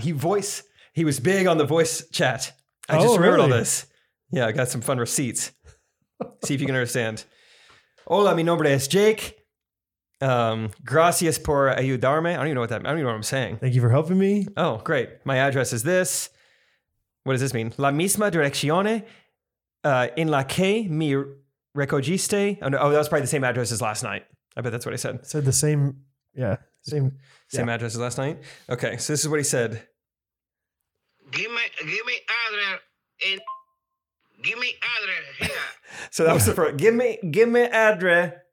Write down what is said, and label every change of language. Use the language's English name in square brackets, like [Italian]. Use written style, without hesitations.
[English] He was big on the voice chat. I just remembered all this. Yeah, I got some fun receipts. See if you can understand. [Spanish] Hola, mi nombre es Jake. Gracias por ayudarme. [English] I don't even know what I'm saying. Thank you for helping me. Oh, great. My address is this. What does this mean? [Spanish] La misma direccione en la que me recogiste. [English] Oh, no, oh, that was probably the same address as last night. I bet that's what I said. Said the same, yeah, same address as last night. Okay, so this is what he said. Give me address and give me address here. So that was the first. Give me address.